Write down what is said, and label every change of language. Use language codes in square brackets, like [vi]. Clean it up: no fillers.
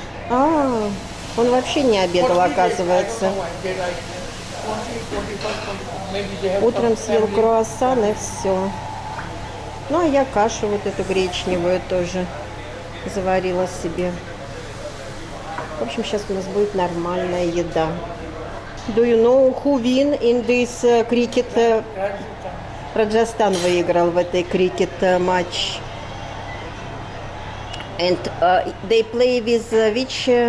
[ru] А, он вообще не обедал, оказывается. Утром съел круассан и все. Ну, а я кашу вот эту гречневую тоже заварила себе. В общем, сейчас у нас будет нормальная еда. [en] Do you know who win in this cricket? [ru] Раджастан выиграл в этой крикет матч. [en] And they play with which?